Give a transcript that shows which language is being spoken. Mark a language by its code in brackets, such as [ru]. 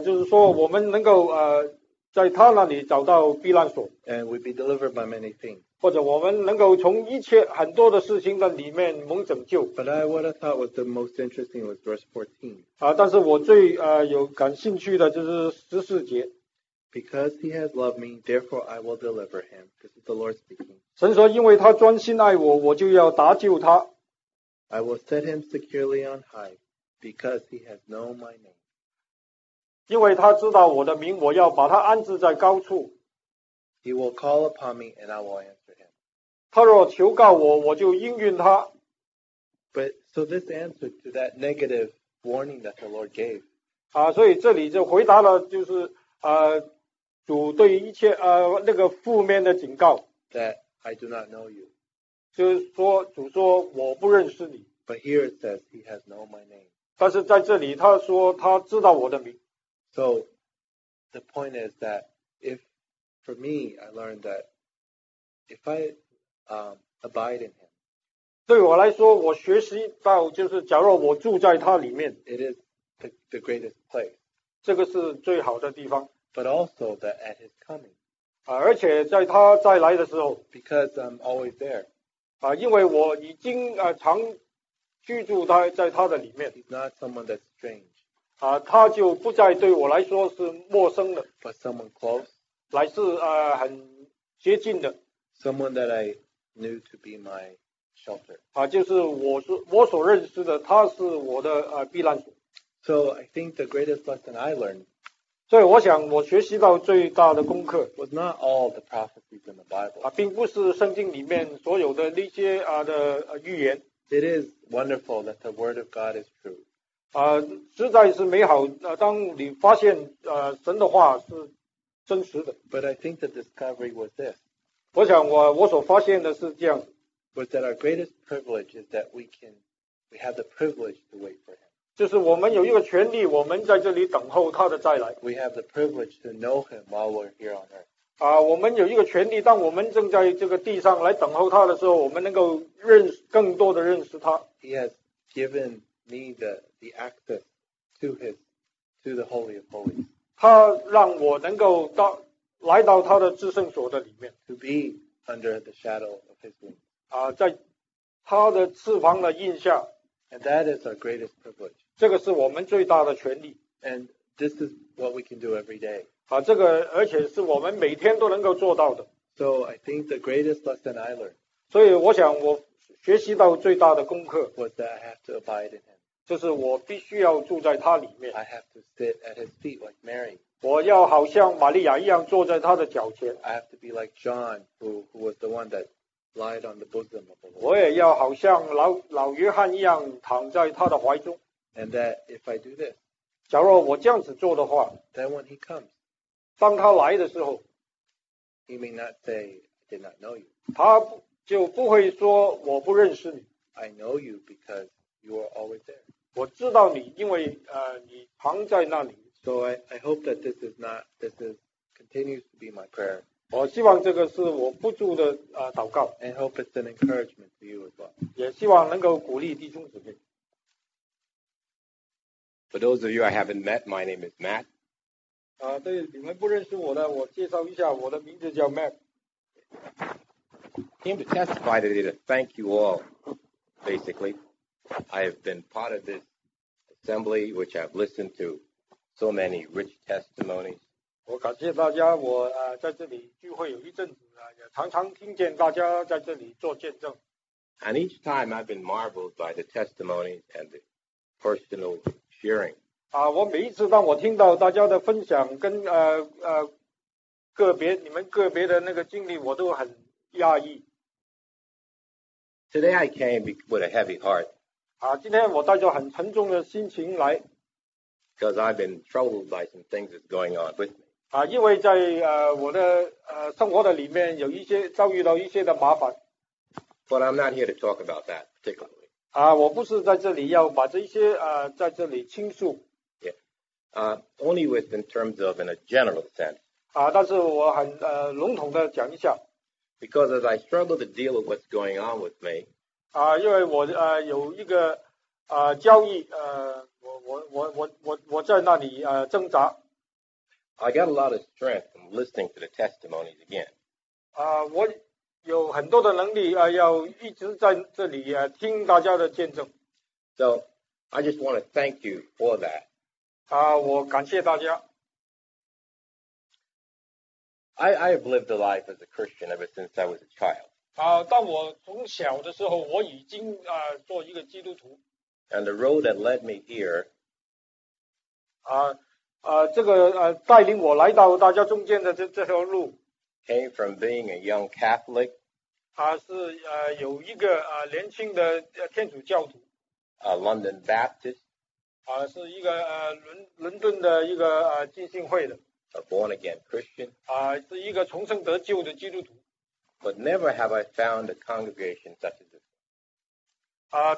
[zh] 就是说我们能够在他那里找到避难所 [en] And we'd be delivered by many things [zh] 或者我们能够从一切很多的事情的里面蒙拯救。 [en] But what I thought was the most interesting was verse 14. [zh] 但是我最有感兴趣的就是十四节。 [en] Because he has loved me, therefore I will deliver him. This is the Lord speaking. [zh] 神说因为他专心爱我，我就要搭救他。 [en] I will set him securely on high, because he has known my name. [zh] 因为他知道我的名，我要把他安置在高处。 [en] He will call upon me and I will answer. [zh] 他若求告我，我就应允他。 [en] But so this answer to that negative warning that the Lord gave. [zh] 所以这里就回答了，就是主对一切那个负面的警告。 [en] That I do not know you. [zh] 就是说，主说我不认识你。 [en] But here it says he has known my name. [zh] 但是在这里他说他知道我的名。 [en] So the point is that if for me I learned that if I abide in him. [zh] 对我来说，我学习到就是，假如我住在他里面 [en] ，it is the greatest place. [zh] 这个是最好的地方。 [en] But also that at his coming. [zh] 而且在他再来的时候 [en] ，because I'm always there. [zh] 因为我已经常居住在他的里面。 [en] He's not someone that's strange. [zh] 他就不再对我来说是陌生的。 [en] But someone close. [zh] 来自很接近的。 [en] Someone that I knew to be my shelter. [zh] 就是我所认识的，他是我的避难所。 [en] So I think the greatest lesson I learned. [zh] 所以我想我学习到最大的功课 [en] was not all the prophecies in the Bible. [zh] 并不是圣经里面所有的那些的预言。 [en] It is wonderful that the word of God is true. [zh] 实在是美好。当你发现神的话是真实的。 [en] But I think the discovery was this. [zh] 我想我所发现的是这样。 [en] Was that our greatest privilege is that we have the privilege to wait for him. [zh] 就是我们有一个权利，我们在这里等候他的再来。 [en] We have the privilege to know him while we're here on earth. [zh] 我们有一个权利，当我们正在这个地上来等候他的时候，我们能够认识更多的认识他。 [en] He has given me the access to the Holy of Holies. [zh] 他让我能够来到他的至圣所的里面。 [en] To be under the shadow of his wings. [zh] 在他的翅膀的荫下。 [en] And that is our greatest privilege. [zh] 这个是我们最大的权利。 [en] And this is what we can do every day. [zh] 这个而且是我们每天都能够做到的。 [en] So I think the greatest lesson I learned. [zh] 所以我想我学习到最大的功课。 [en] Was that I have to abide in him. [zh] 就是我必须要住在他里面。 [en] I have to sit at his feet like Mary. [zh] 我要好像玛利亚一样坐在他的脚前。 [en] I have to be like John, who was the one that lied on the bosom of the Lord. [zh] 我也要好像老约翰一样躺在他的怀中。 [en] And that if I do this, [zh] 假如我这样子做的话 [en] then when he comes, [zh] 当他来的时候 [en] he may not say, I did not know you. [zh] 他就不会说我不认识你。 [en] I know you because you are always there. [zh] 我知道你因为你躺在那里。 [en] So I hope that continues to be my prayer. [zh] 我希望这个是我不住的祷告。 [en] And hope it's an encouragement to you as well. [zh] 也希望能够鼓励弟兄姊妹。 [en] For those of you I haven't met, my name is Matt. [zh] 对你们不认识我的，我介绍一下，我的名字叫 Matt. [en] Came to testify today to thank you all. Basically, I have been part of this assembly, which I've listened to. So many rich testimonies. [zh] 我感谢大家，我在这里聚会有一阵子也常常听见大家在这里做见证。 [en] And each time I've been marveled by the testimonies and the personal sharing. [zh] 我每一次当我听到大家的分享跟个别你们个别的那个经历，我都很讶异。 [en] Today I came with a heavy heart. [zh] 今天我带着很沉重的心情来。 [en] Because I've been troubled by some things that's going on with me. [zh] 因为在我的生活的里面有一些遭遇到一些的麻烦。 [en] But I'm not here to talk about that particularly. [zh] 我不是在这里要把这些在这里倾诉。 [en] Yeah. Only with in terms of in a general sense. [zh] 但是我很笼统的讲一下。 [en] Because as I struggle to deal with what's going on with me. [zh] 因为我有一个交易我在那里挣扎。 [en] I got a lot of strength from listening to the testimonies again. [zh] 我有很多的能力要一直在这里听大家的见证。 [en] So, I just want to thank you for that. [zh] 我感谢大家。 [en] I have lived a life as a Christian ever since I was a child. [zh] 当我从小的时候，我已经做一个基督徒。 [en] And the road that led me here. [zh] 这个带领我来到大家中间的这条路。 [en] Came from being a young Catholic. [zh] 是有一个年轻的天主教徒。 [en] A London Baptist. [zh] 是一个伦敦的一个浸信会的。 [en] A born again Christian. [zh] 是一个重生得救的基督徒。 [en] But never have I found a congregation such as this.